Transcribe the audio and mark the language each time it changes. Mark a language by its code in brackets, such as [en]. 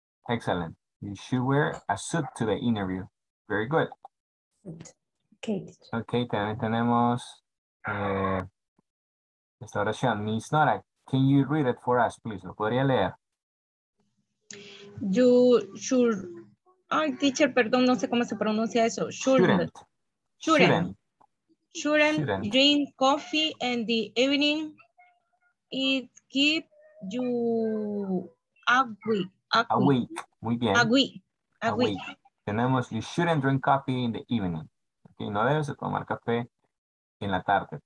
[en] Excellent. You should wear a suit to the interview. Very good. Okay. [es] Okay, también tenemos esta oración. [en] Miss Nora, can you read it for us, please? [es] ¿Lo podría leer? [en] You should. [es] Ay, teacher, perdón, no sé cómo se pronuncia eso. [en] Shouldn't drink coffee in the evening. It keep you awake. [es] Muy bien. [en] Awake. [es] Tenemos, [en] you shouldn't drink coffee in the evening. [es] Okay, no debes tomar café en la tarde.